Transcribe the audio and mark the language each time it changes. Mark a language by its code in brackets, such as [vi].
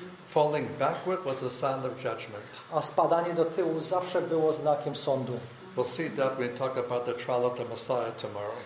[en] Falling backward was a sign of judgment. [pl] A spadanie do tyłu zawsze było znakiem sądu. [en] We'll see that when we talk about the trial of the Messiah tomorrow.